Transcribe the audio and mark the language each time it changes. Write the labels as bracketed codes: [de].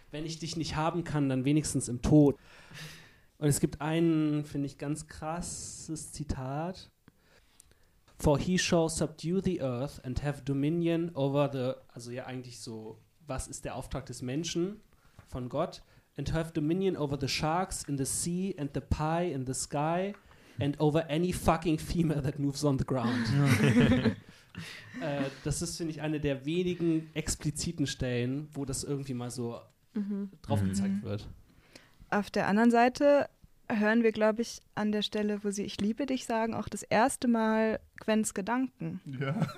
[de] Wenn ich dich nicht haben kann, dann wenigstens im Tod. Und es gibt ein, finde ich, ganz krasses Zitat. [en] For he shall subdue the earth and have dominion over the, [de] also ja eigentlich so, was ist der Auftrag des Menschen von Gott? [en] And have dominion over the sharks in the sea and the pie in the sky and over any fucking female that moves on the ground. [de] das ist, finde ich, eine der wenigen expliziten Stellen, wo das irgendwie mal so draufgezeigt wird. Auf der anderen Seite hören wir, glaube ich, an der Stelle, wo sie Ich liebe dich sagen, auch das erste Mal Gwens Gedanken. Ja.